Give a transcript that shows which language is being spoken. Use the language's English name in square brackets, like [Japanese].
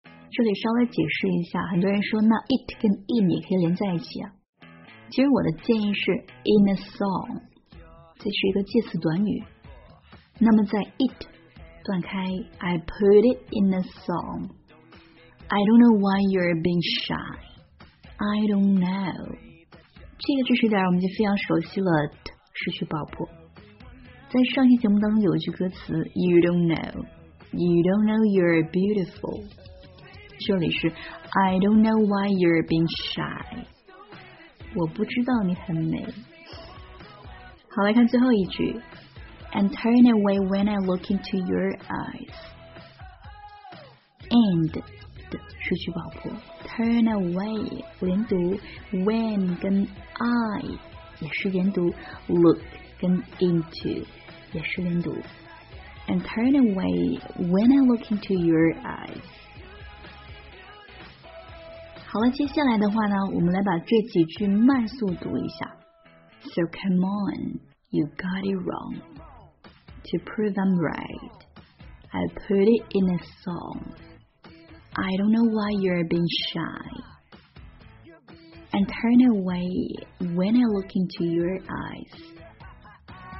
[Chinese] 这里稍微解释一下，很多人说那 it 跟 in 也可以连在一起啊。其实我的建议是 [English] in a song， [Chinese] 这是一个介词短语。那么在 it 断开 ， [English] I put it in a song。 I don't know why you're being shy. I don't know. [Chinese] 这个知识点我们就非常熟悉了，失去爆破。在上期节目当中有一句歌词 [English] You don't know you're beautiful. [Chinese] 这里是 [English] I don't know why you're being shy. [Chinese] 我不知道你很美。好，来看最后一句 [English] And turn away when I look into your eyes. And [Chinese] 失去爆破 [English] turn away [Chinese] 连读 [English] when 跟 I [Chinese] 也是连读 [English] look 跟 into 也是连读 and turn away when I look into your eyes。 [Chinese] 好了，接下来的话呢，我们来把这几句慢速读一下。 [English] So come on, you got it wrong. To prove I'm right, I put it in a songI don't know why you're being shy. And turn away when I look into your eyes.